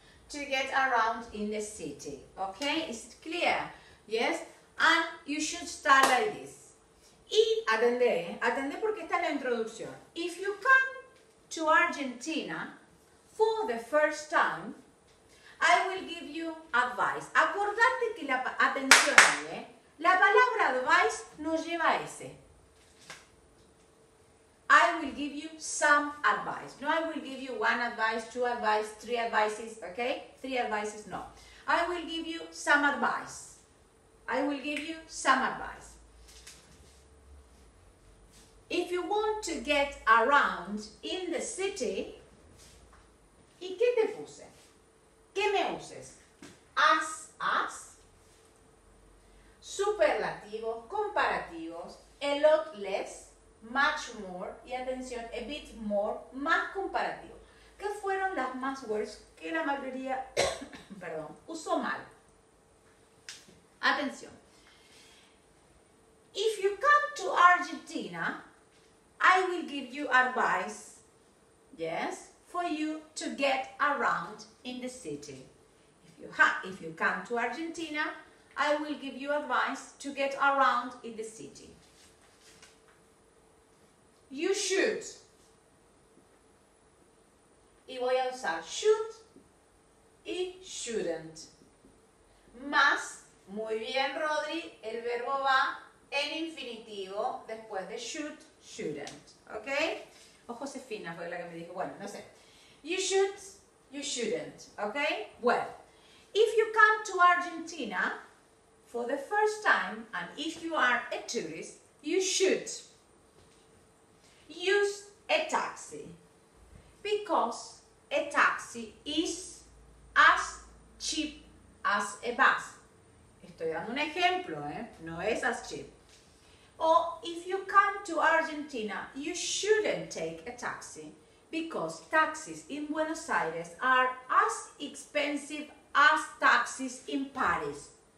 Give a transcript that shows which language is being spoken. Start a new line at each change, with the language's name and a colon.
English: To get around in the city, okay? Is it clear? Yes, and you should start like this.
Spanish: Y atendé porque está la introducción.
English: If you come to Argentina for the first time, I will give you advice.
Spanish: Acordate que la atención ahí, la palabra advice no lleva ese.
English: I will give you some advice. No, I will give you one advice, two advice, three advices, okay? Three advices, no. I will give you some advice. I will give you some advice. If you want to get around in the city,
Spanish: ¿y qué te puse? ¿Qué me uses?
English: As, superlativos, comparativos, a lot less, much more,
Spanish: y atención,
English: a bit more,
Spanish: más comparativo. ¿Qué fueron las más words que la mayoría, perdón, usó mal? Atención.
English: If you come to Argentina, I will give you advice, yes, for you to get around in the city. If you come to Argentina, I will give you advice to get around in the city. You should.
Spanish: Y voy a usar should y shouldn't. Más, muy bien, Rodri, el verbo va en infinitivo después de should.
English: Shouldn't, okay?
Spanish: O Josefina fue la que me dijo, bueno, no sé.
English: You should, you shouldn't, okay? Well, if you come to Argentina for the first time, and if you are a tourist, you should use a taxi, because a taxi is as cheap as a bus.
Spanish: Estoy dando un ejemplo, No es
English: as cheap. Or if you come to Argentina, you shouldn't take a taxi because taxis in Buenos Aires are as expensive as taxis in Paris.